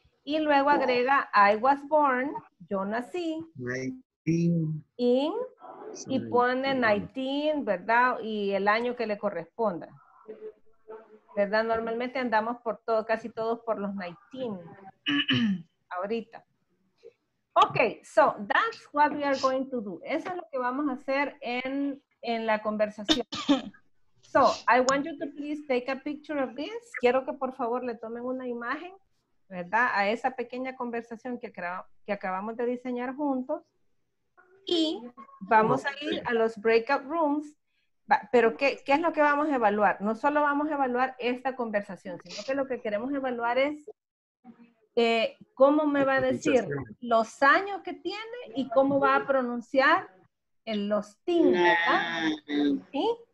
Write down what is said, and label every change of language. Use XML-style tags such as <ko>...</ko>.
<es>Y luego agrega,</es> <en>I was born,</en> <es>yo nací, 19. In, y pone 19, ¿verdad? Y el año que le corresponda. ¿Verdad? Normalmente andamos por todo, casi todos por los 19, ahorita.</es> <en>Ok, so that's what we are going to do.</en> <es>Eso es lo que vamos a hacer en la conversación.</es> <en>So, I want you to please take a picture of this.</en> <es>Quiero que por favor le tomen una imagen. ¿Verdad? A esa pequeña conversación que acabamos de diseñar juntos. Y vamos a ir a los breakout rooms. ¿Pero qué es lo que vamos a evaluar? No solo vamos a evaluar esta conversación, sino que lo que queremos evaluar es cómo me va a decir los años que tiene y cómo va a pronunciar en los teens, ¿verdad? ¿Sí?</es>